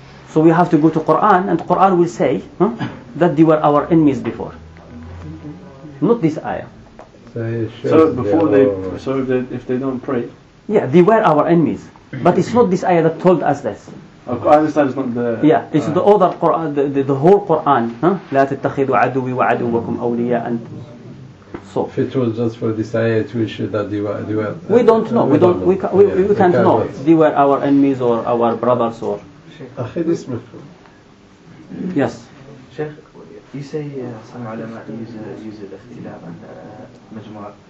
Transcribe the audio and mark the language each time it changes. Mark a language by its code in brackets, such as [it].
[en] So we have to go to Quran, and Quran will say that they were our enemies before. Not this ayah. So if they don't pray? Yeah, they were our enemies. But it's not this ayah that told us this. Okay, I understand it's not the... Yeah, it's the other Quran, the whole Quran. [ar] لا تتخذوا عدوي وعدوكم أولياء. [en] And so if it was just for this ayah to ensure that they were... We don't know. We can't know. They were our enemies or our brothers or... Sheikh. Yes. Sheikh, you say some ulama use al-ikhtilaf and majmu'at.